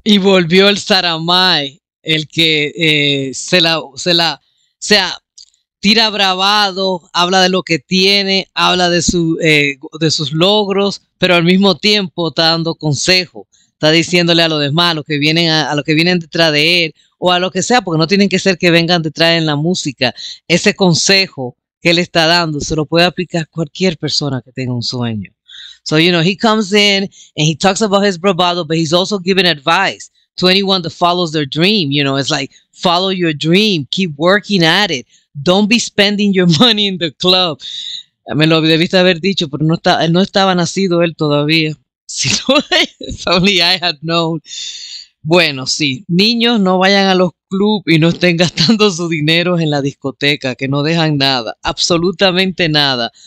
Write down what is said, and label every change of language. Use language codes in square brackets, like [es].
[es] Y volvió el Saramay, el que se la tira bravado, habla de lo que tiene, habla de sus logros, pero al mismo tiempo está dando consejo. Está diciéndole a los demás, a los que vienen detrás de él, o a lo que sea, porque no tienen que ser que vengan detrás en la música. Ese consejo que él está dando se lo puede aplicar cualquier persona que tenga un sueño. [en] So, you know, he comes in and he talks about his bravado, but he's also giving advice to anyone that follows their dream. You know, it's like, follow your dream, keep working at it. Don't be spending your money in the club. [es] Me lo debiste haber dicho, pero no estaba nacido él todavía. Si no, [en] if only I had known. [es] Bueno, sí, niños, no vayan a los clubs y no estén gastando su dinero en la discoteca, que no dejan nada, absolutamente nada.